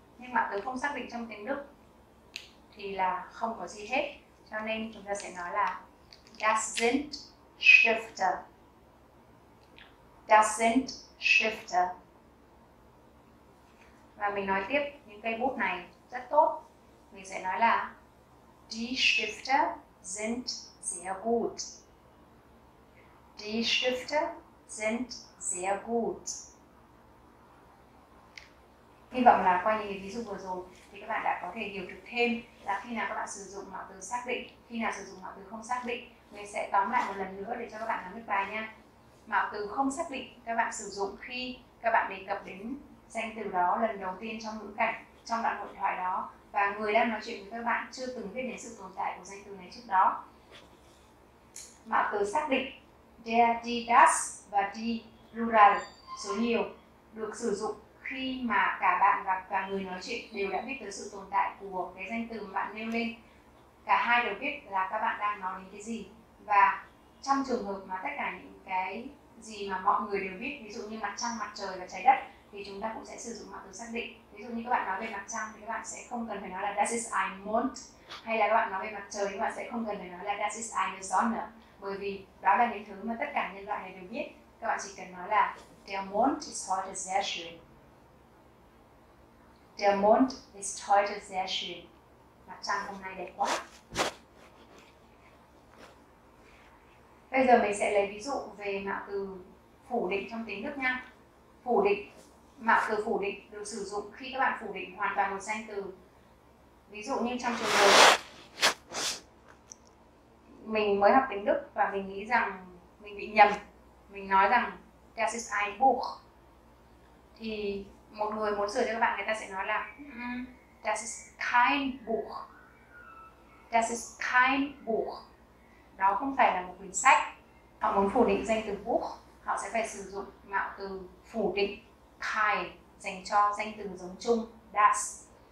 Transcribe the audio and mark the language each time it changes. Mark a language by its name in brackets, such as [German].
[Vietnamese] Nhưng mạo từ không xác định trong tiếng Đức thì là không có gì hết. Cho nên chúng ta sẽ nói là [German] Das sind Stifte. Das sind Stifte. [Vietnamese] Và mình nói tiếp, những cây bút này rất tốt. Mình sẽ nói là [German] Die Stifte sind sehr gut. Die Stifte sind sehr gut. [Vietnamese] Hy vọng là qua những ví dụ vừa rồi thì các bạn đã có thể hiểu được thêm là khi nào các bạn sử dụng mạo từ xác định, khi nào sử dụng mạo từ không xác định. Mình sẽ tóm lại một lần nữa để cho các bạn nắm được bài nha. Mạo từ không xác định các bạn sử dụng khi các bạn đề cập đến danh từ đó lần đầu tiên trong ngữ cảnh, trong đoạn hội thoại đó. Và và người đang nói chuyện với các bạn chưa từng biết đến sự tồn tại của danh từ này trước đó. Mạo từ xác định der, die, das và die plural số nhiều được sử dụng khi mà cả bạn và cả người nói chuyện đều đã biết tới sự tồn tại của cái danh từ mà bạn nêu lên. Cả hai đều biết là các bạn đang nói đến cái gì. Và trong trường hợp mà tất cả những cái gì mà mọi người đều biết, ví dụ như mặt trăng, mặt trời và trái đất, thì chúng ta cũng sẽ sử dụng mạo từ xác định. Ví dụ như các bạn nói về mặt trăng thì các bạn sẽ không cần phải nói là [German] das ist ein Mond, [Vietnamese] hay là các bạn nói về mặt trời thì các bạn sẽ không cần phải nói là [German] das ist eine Sonne, [Vietnamese] bởi vì đó là những thứ mà tất cả nhân loại này đều biết. Các bạn chỉ cần nói là [German] der Mond ist heute sehr schön. Der Mond ist heute sehr schön. [Vietnamese] Mặt trăng hôm nay đẹp quá. Bây giờ mình sẽ lấy ví dụ về mạo từ phủ định trong tiếng Đức nha. Phủ định, mạo từ phủ định được sử dụng khi các bạn phủ định hoàn toàn một danh từ. Ví dụ như trong trường hợp mình mới học tiếng Đức và mình nghĩ rằng mình bị nhầm. Mình nói rằng [German] das ist ein Buch. [Vietnamese] Thì một người muốn sửa cho các bạn, người ta sẽ nói là [German] das ist kein Buch. Das ist kein Buch. [Vietnamese] Đó không phải là một quyển sách. Họ muốn phủ định danh từ Buch, họ sẽ phải sử dụng mạo từ phủ định kein dành cho danh từ giống chung das.